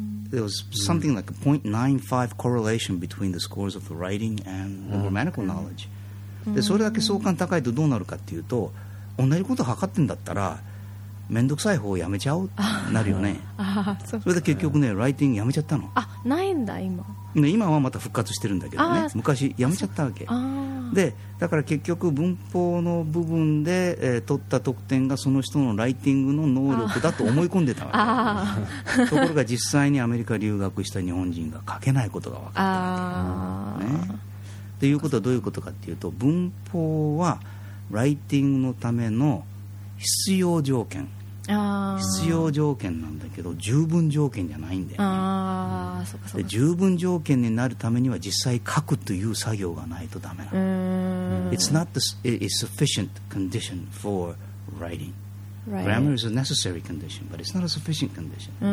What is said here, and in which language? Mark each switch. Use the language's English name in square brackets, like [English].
[English] There was something like a 0.95 correlation between the scores of the writing and the grammatical knowledge. [Japanese] で、それだけ相関高いとどうなるかっていうと、同じこと測ってんだったら、めんどくさい方をやめちゃうなるよね。それで結局ね、ライティングやめちゃったの。あ、ないんだ今。ね、今はまた復活してるんだけどね。昔やめちゃったわけ。で、だから結局文法の部分で、取った得点がその人のライティングの能力だと思い込んでたわけ。ところが実際にアメリカ留学した日本人が書けないことが分かったわけ。と、ね、いうことはどういうことかっていうと、文法はライティングのための必要条件。必要条件なんだけど十分条件じゃないんだよね。そうかそうか。十分条件になるためには実際書くという作業がないとダメなの。 [English] It's not the sufficient condition for writing. Right. Grammar is a necessary condition, but it's not a sufficient condition.